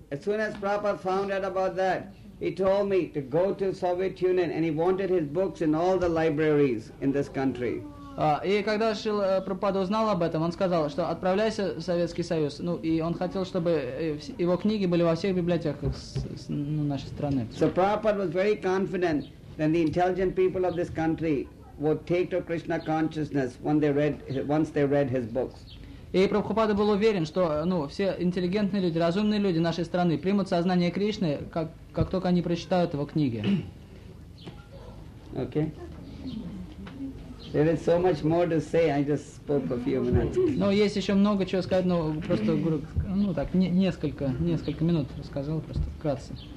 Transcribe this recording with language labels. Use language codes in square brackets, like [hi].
[en] As soon as Prabhupada found out about that, he told me to go to Soviet Union and he wanted his books in all the libraries in this country. [ru] И когда Шрила Прабхупада узнал об этом, он сказал, что отправляйся в Советский Союз, ну, и он хотел, чтобы его книги были во всех библиотеках нашей страны. [en] So Prabhupada was very confident that the intelligent people of this country would take to Krishna consciousness once they read his books. [ru] И Прабхупада был уверен, что, ну, все интеллигентные люди, разумные люди нашей страны примут сознание Кришны, как только они прочитают его книги. [en] Okay. There is so much more to say, I just spoke a few minutes. [ru] Ну, есть еще много чего сказать, но просто, ну, так, несколько минут рассказал, просто вкратце.